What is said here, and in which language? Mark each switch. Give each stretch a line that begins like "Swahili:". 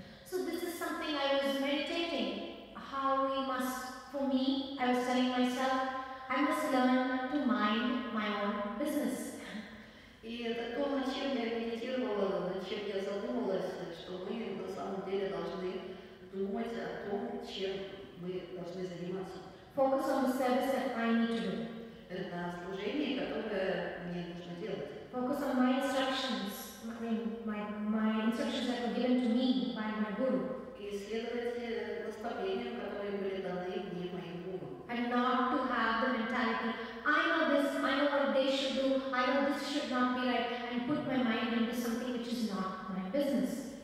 English: So this is something I was meditating. How we must, for me, I was telling myself, I must learn to mind my own business.
Russian: И это то, над чем я медитировала, над чем я задумалась, что мы на самом деле должны думать о том, чем мы должны заниматься.
English: Focus on the service that I need to do.
Russian: На служении, которое мне нужно делать.
English: Focus on my instructions. I mean, my instructions that were given to me by my guru.
Russian: И следовать наставлениям, которые были даны мне моим гуру.
English: And not to have the mentality, I know this, I know what they should do, I know this should not be right, and put my mind into something which is not my business.